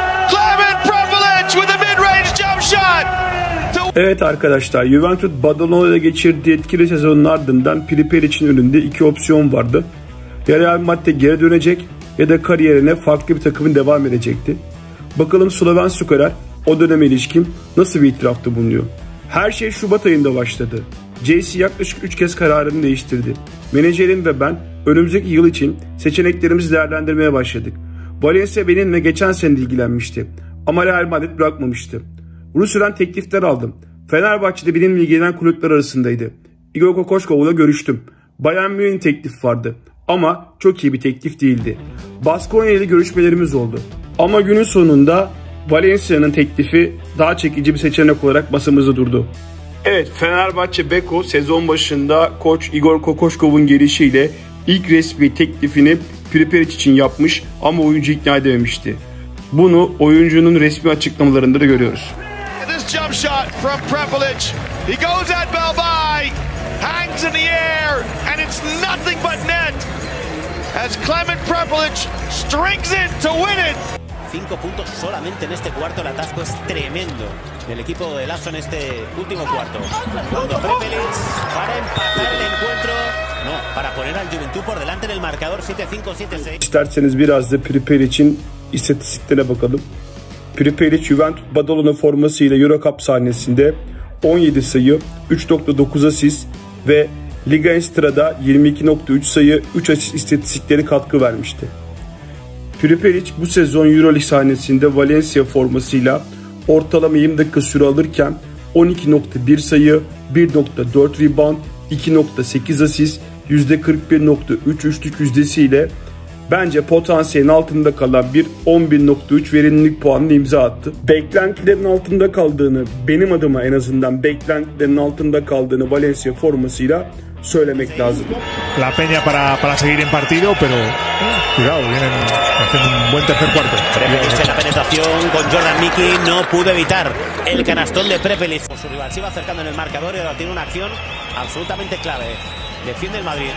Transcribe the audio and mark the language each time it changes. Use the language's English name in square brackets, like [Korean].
[English] Clement Prepelic with a mid-range jump shot! [Turkish] Evet arkadaşlar, Juventus Badalona'da geçirdiği etkili sezonun ardından Prepelic'in önünde iki opsiyon vardı. Ya Real Madrid'e geri dönecek ya da kariyerine farklı bir takımın devam edecekti. Bakalım Sloven skorer o döneme ilişkin nasıl bir itirafta bulunuyor? Her şey Şubat ayında başladı. JC yaklaşık 3 kez kararını değiştirdi. Menajerim ve ben önümüzdeki yıl için seçeneklerimizi değerlendirmeye başladık. Valencia benimle geçen sene ilgilenmişti. Ama Real Madrid bırakmamıştı. Rusya'dan teklifler aldım. Fenerbahçe'de benimle ilgilenen kulüpler arasındaydı. Igor Kokoşkov'la görüştüm. Bayern Münih'in teklif vardı. Ama çok iyi bir teklif değildi. Baskonya ile görüşmelerimiz oldu. Ama günün sonunda Valencia'nın teklifi daha çekici bir seçenek olarak masamızda durdu. Evet, Fenerbahçe Beko sezon başında koç Igor Kokoşkov'un gelişiyle ilk resmi teklifini Prepelic için yapmış ama oyuncu ikna edememişti. Bunu oyuncunun resmi açıklamalarında da görüyoruz. [English] This jump shot from Prepelic. He goes at Belbay. Hangs in the air and it's nothing but net. As Clement Prepelic strings it to win it. [Spanish] 5 puntos solamente en este cuarto, el atasco es tremendo del equipo de Lazo en este último cuarto. Segundo Prepelic para empatar el encuentro, no, para poner al Juventud por delante en el marcador 7-5-7-6. [Turkish] İsterseniz biraz da Prepelic'in istatistiklerine bakalım. Prepelic Juventus Badalona formasıyla EuroCup sahnesinde 17 sayı, 3.9 asist ve Liga Estrada 22.3 sayı, 3 asist istatistiklerine katkı vermişti. Prepelic bu sezon EuroLeague sahnesinde Valencia formasıyla ortalama 20 dakika süre alırken 12.1 sayı, 1.4 rebound, 2.8 asist, %41.3 üçlük yüzdesiyle bence potansiyelin altında kalan bir 11.3 verimlilik puanını imza attı. Beklentilerin altında kaldığını, benim adıma en azından beklentilerin altında kaldığını Valencia formasıyla söylemek lazım. [Spanish] La Peña para seguir en partido, pero cuidado, vienen haciendo un buen tercer cuarto. Prepelic en la penetración con Jordan Mickey, no pudo evitar el canastón de Prepelic. Su rival se va acercando en el marcador y ahora tiene una acción absolutamente clave. Defiende el Madrid.